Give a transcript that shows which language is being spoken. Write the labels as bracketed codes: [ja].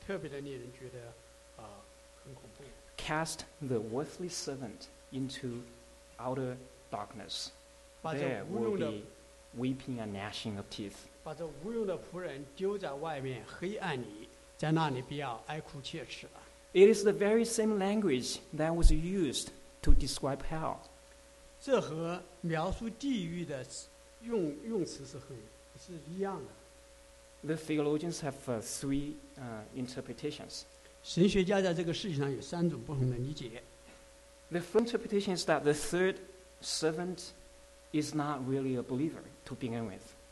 [zh] 第三十节用的词语特别的令人觉得很恐怖。 [en] Cast the worthless servant into outer darkness. There will be weeping and gnashing of teeth. [zh] 把这无用的仆人丢在外面黑暗里，在那里必要哀哭切齿。 [en] It is the very same language that was used to describe hell. [zh] 这和描述地狱的用词是一样的。 [en] The theologians have three interpretations. [zh] 神学家在这个事情上有三种不同的理解。 [en] The first interpretation is that the third servant is not really a believer to begin with.